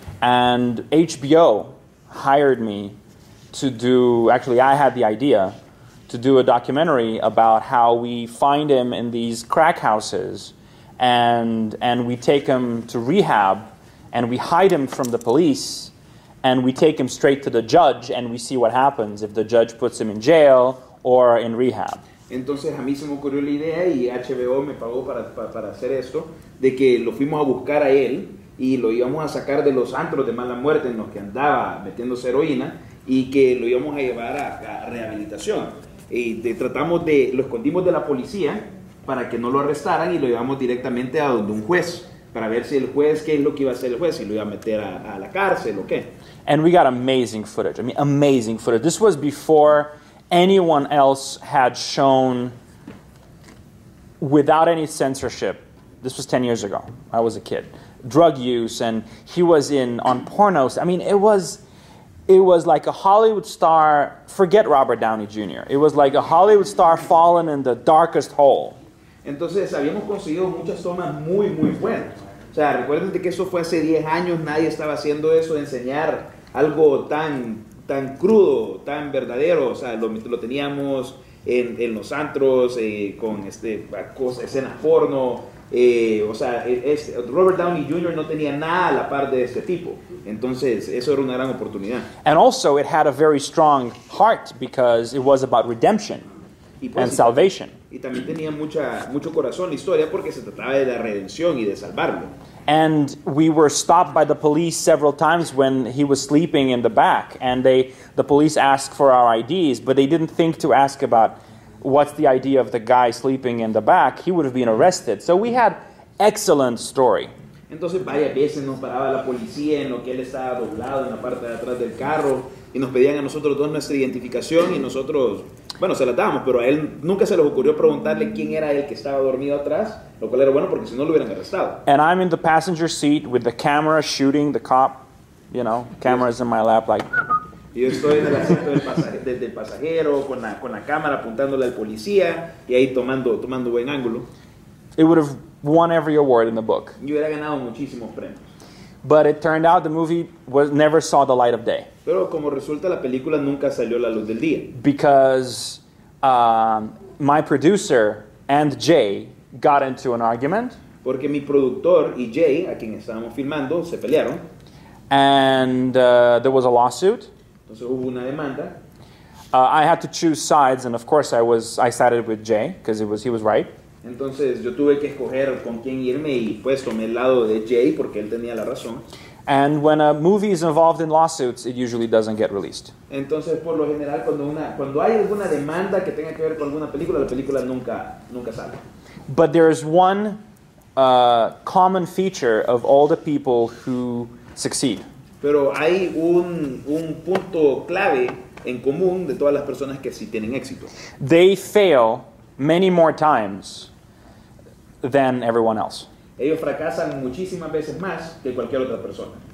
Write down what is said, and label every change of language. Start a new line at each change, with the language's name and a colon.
English: And HBO hired me to do, actually, I had the idea to do a documentary about how we find him in these crack houses and we take him to rehab and we hide him from the police. And we take him straight to the judge and we see what happens if the judge puts him in jail or in rehab.
Spanish: Entonces a mí se me ocurrió la idea y HBO me pagó para hacer esto, de que lo fuimos a buscar a él y lo íbamos a sacar de los antros de mala muerte en los que andaba metiéndose heroína y que lo íbamos a llevar a rehabilitación. Y lo escondimos de la policía para que no lo arrestaran y lo llevamos directamente a donde un juez. Para ver si el juez, qué es lo que iba a hacer el juez, si lo iba a meter a la cárcel o qué.
English: And we got amazing footage. I mean, amazing footage. This was before anyone else had shown without any censorship. This was 10 years ago. I was a kid. Drug use, and he was on pornos. I mean, it was like a Hollywood star. Forget Robert Downey Jr. It was like a Hollywood star fallen in the darkest hole.
Spanish: Entonces, habíamos conseguido muchas tomas muy, muy buenas. O sea, recuerden que eso fue hace 10 años, nadie estaba haciendo eso, enseñar algo tan, tan crudo, tan verdadero. O sea, lo teníamos en los antros, con escenas porno. Robert Downey Jr. no tenía nada a la par de este tipo. Entonces, eso era una gran oportunidad.
English: And also, it had a very strong heart because it was about redemption. And salvation.
Spanish: Y también tenía mucho corazón la historia porque se trataba de la redención y de salvarlo.
English: And we were stopped by the police several times when he was sleeping in the back, and the police asked for our IDs, but they didn't think to ask about what's the idea of the guy sleeping in the back, he would have been arrested. So we had excellent story.
Spanish: Entonces varias veces nos paraba la policía en lo que él estaba doblado en la parte de atrás del carro y nos pedían a nosotros dos nuestra identificación y nosotros, bueno, se la dábamos, pero a él nunca se les ocurrió preguntarle quién era el que estaba dormido atrás, lo cual era bueno porque si no lo hubieran arrestado.
English: And I'm in the passenger seat with the camera shooting the cop, you know, cameras in my lap like...
Spanish: Yo estoy en el asiento del pasajero con la cámara apuntándole al policía y ahí tomando buen ángulo.
English: It would have won every award in the book.
Spanish: Yo hubiera ganado muchísimos premios.
English: But it turned out the movie never saw the light of day.
Spanish: Pero como resulta, la película nunca salió la luz del día.
English: Because my producer and Jay got into an argument.
Spanish: Porque mi productor y Jay, a quien estábamos filmando, se pelearon.
English: And there was a lawsuit.
Spanish: Entonces hubo una demanda.
English: I had to choose sides, and of course I sided with Jay, because he was right.
Spanish: Entonces yo tuve que escoger con quién irme y pues tomé el lado de Jay porque él tenía la razón.
English: And when a movie is involved in lawsuits, it usually doesn't get released.
Spanish: Entonces por lo general cuando hay alguna demanda que tenga que ver con alguna película, la película nunca sale.
English: But there is one common feature of all the people who succeed.
Spanish: Pero hay un punto clave en común de todas las personas que sí tienen éxito.
English: They fail many more times than everyone else.
Spanish: Ellos fracasan muchísimas veces más que cualquier otra persona.